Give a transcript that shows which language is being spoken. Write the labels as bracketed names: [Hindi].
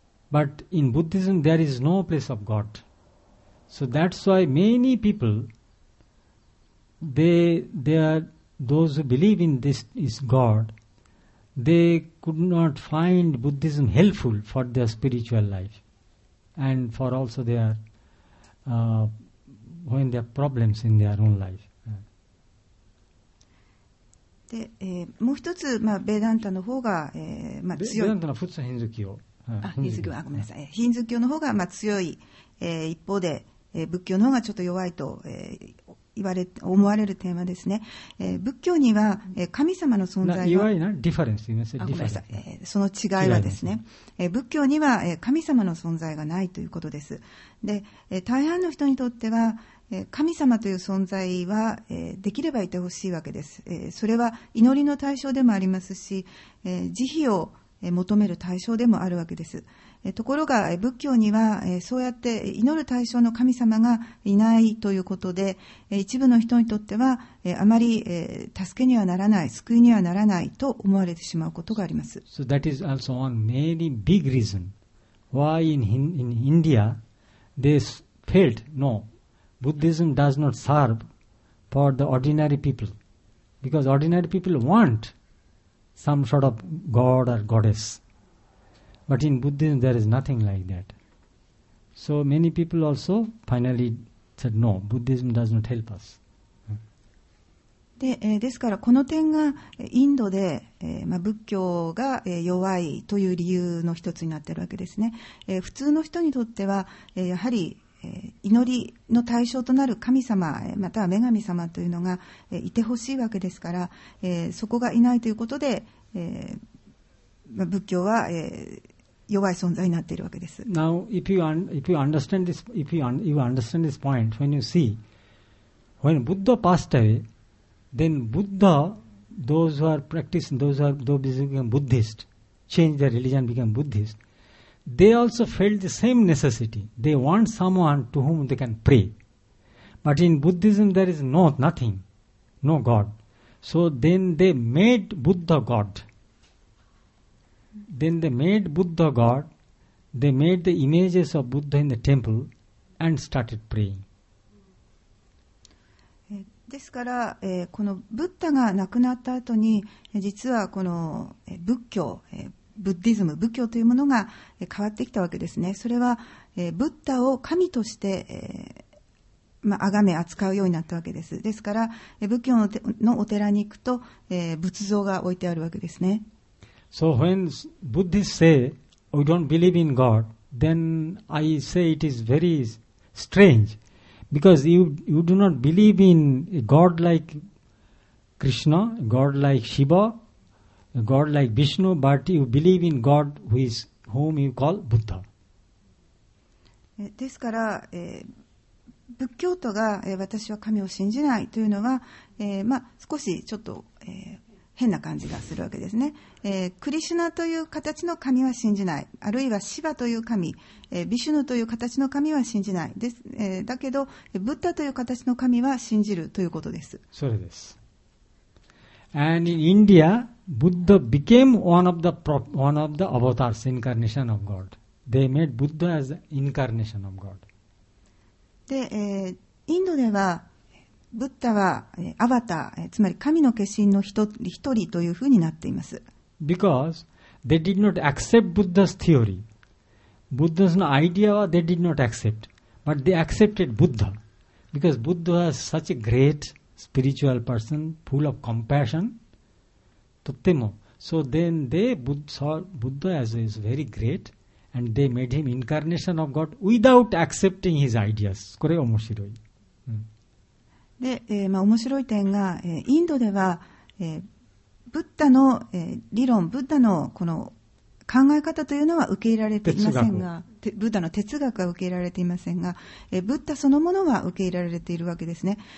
[English] But in Buddhism, there is no place of God. So that's why many people, those who believe in this God, they could not find Buddhism helpful for their spiritual life and for also their, when they have problems in their own life. [Japanese] で、もう一つ、まあ、ベダンタの方が、まあ、強い。ベダンタの普通ヒンズキを。ヒンズー教の方がまあ強い、一方で、仏教の方がちょっと弱いと、思われるテーマですね。仏教には、神様の存在は、なディファレンス、その違いはですね、仏教には、神様の存在がないということです。で、大半の人にとっては、神様という存在は、できればいてほしいわけです。それは祈りの対象でもありますし、慈悲を求める対象でもあるわけです。ところが仏教にはそうやって祈る対象の神様がいないということで、一部の人にとってはあまり助けにはならない、救いにはならないと思われてしまうことがあります。 [English] So that is also one very big reason why in India they felt no, Buddhism does not serve for the ordinary people because ordinary people want. Some sort of god or goddess. But in Buddhism, there is nothing like that. So many people also finally said, no, Buddhism does not help us. [Japanese] で、ですからこの点がインドで、まあ、仏教が弱いという理由の一つになっているわけですね。普通の人にとってはやはり祈りの対象となる神様または女神様というのがいてほしいわけですから、そこがいないということで仏教は弱い存在になっているわけです。 [English] Now if you understand this, if you understand this point, when you see when Buddha passed away, then Buddha, those who are practicing, those became Buddhist, changed their religion, became Buddhist, they also felt the same necessity. They want someone to whom they can pray. But in Buddhism there is nothing, no God. So then they made Buddha God. Then they made Buddha God, they made the images of Buddha in the temple and started praying. [Japanese] ですから、このブッダが亡くなった後に、実はこの仏教、ブッディズム、仏教というものが変わってきたわけですね。それは、ブッダを神として、まあがめ扱うようになったわけです。ですから、仏教のお寺に行くと、仏像が置いてあるわけですね。 [English] So when Buddhists say we don't believe in God, then I say it is very strange, because you do not believe in a God like Krishna, a God like Shiva, a God like Vishnu, but you believe in God who is whom you call Buddha. [Japanese] ですから、仏教徒が、私は神を信じないというのは、まあ、少しちょっと、変な感じがするわけですね。クリシュナという形の神は信じない、あるいはシバという神、ビシュヌという形の神は信じないです、だけどブッダという形の神は信じるということです。それです。 [English] And in India Buddha became one of the avatars, incarnation of God. They made Buddha as the incarnation of God. [Japanese] で、インドではブッダはアバター、つまり神の化身の一人というふうになっています。 [English] Because they did not accept Buddha's theory. Buddha's idea they did not accept, but they accepted Buddha, because Buddha was such a great spiritual person, full of compassion, [Japanese] tottemo. [English] So then they saw Buddha as is very great, and they made him incarnation of God without accepting his ideas. [Japanese] これ面白い。で、まあ、面白い点が、インドでは、ブッダの、理論、ブッダのこの考え方というのは受け入れられていませんが、ブッダの哲学は受け入れられていませんが、ブッダそのものは受け入れられているわけですね。